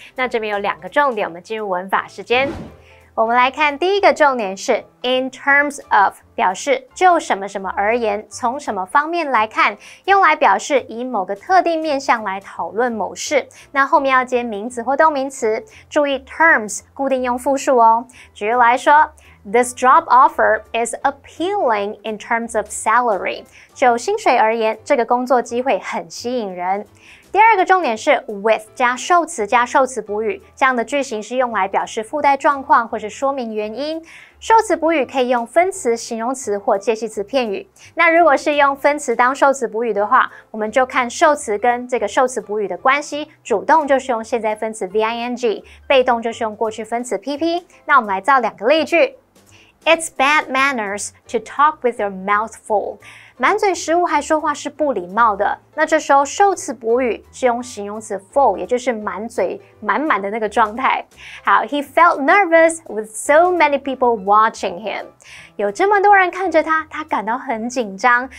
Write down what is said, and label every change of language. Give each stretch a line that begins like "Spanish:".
Chinese: 那这边有两个重点，我们进入文法时间。我们来看第一个重点是 in terms of， 表示就什么什么而言，从什么方面来看，用来表示以某个特定面向来讨论某事。那后面要接名词或动名词，注意 terms 固定用复数哦。举例来说，
English: This job offer is appealing in terms of salary.
Chinese: 就薪水而言，这个工作机会很吸引人。第二个重点是 with 加受词加受词补语，这样的句型是用来表示附带状况或是说明原因。受词补语可以用分词、形容词或介系词片语。那如果是用分词当受词补语的话，我们就看受词跟这个受词补语的关系。主动就是用现在分词 ving， 被动就是用过去分词 pp。那我们来造两个例句。
English: It's bad manners to talk with your mouth full.
Chinese: 满嘴食物还说话是不礼貌的。那这时候受词补语是用形容词 full， 也就是满嘴满满的那个状态。
English: 好， He felt nervous with so many people watching him.
Chinese: 有这么多人看着他，他感到很紧张。